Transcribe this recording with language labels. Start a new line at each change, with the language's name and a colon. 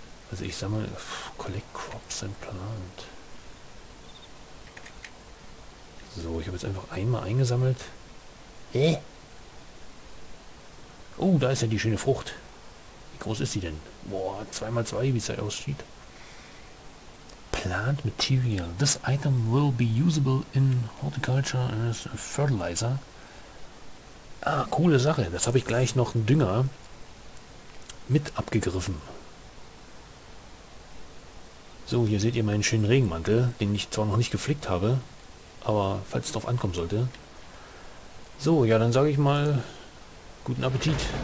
German: Also ich sag mal,
English: collect crops and plant.
German: So, ich habe jetzt einfach einmal eingesammelt. Da ist ja die schöne Frucht. Wie groß ist sie denn? Boah, 2x2, wie es halt aussieht.
English: Plant Material. This item will be usable in horticulture as a fertilizer.
German: Ah, coole Sache. Das habe ich gleich noch einen Dünger mit abgegriffen. So, hier seht ihr meinen schönen Regenmantel, den ich zwar noch nicht geflickt habe, aber falls es drauf ankommen sollte. So, ja, dann sage ich mal guten Appetit.